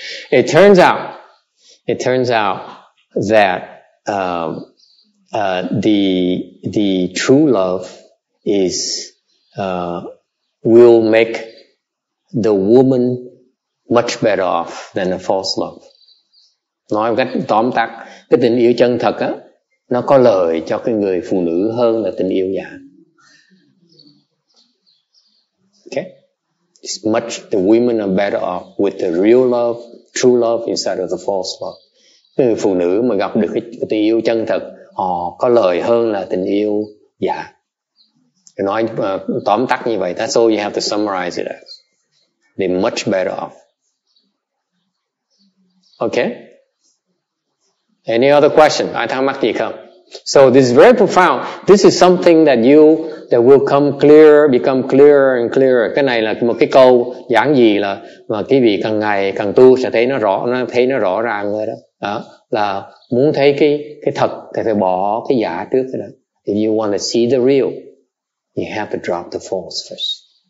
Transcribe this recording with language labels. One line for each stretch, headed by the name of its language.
English: it turns out that the true love is will make the woman much better off than a false love.
Vietnamese: Nói một cách tóm tắt, cái tình yêu chân thật á, nó có lợi cho cái người phụ nữ hơn là tình yêu giả.
English: Okay? It's much, the women are better off with the real love, true love instead of the false love.
Vietnamese: Cái người phụ nữ mà gặp được cái tình yêu chân thật, họ có lợi hơn là tình yêu giả. Nói tóm tắt như vậy,
English: that's all you have to summarize it as. They're much better off.
Vietnamese: Okay?
English: Any other question?
Vietnamese: Ai thắc mắc gì không?
English: So this is very profound. This is something that will come clearer, become clearer and clearer.
Vietnamese: Cái này là một cái câu giảng gì là mà quý vị càng ngày càng tu sẽ thấy nó rõ ràng rồi đó. Đó. Là muốn thấy cái thật thì phải bỏ cái giả trước rồi đó.
English: If you want to see the real, you have to drop the false first.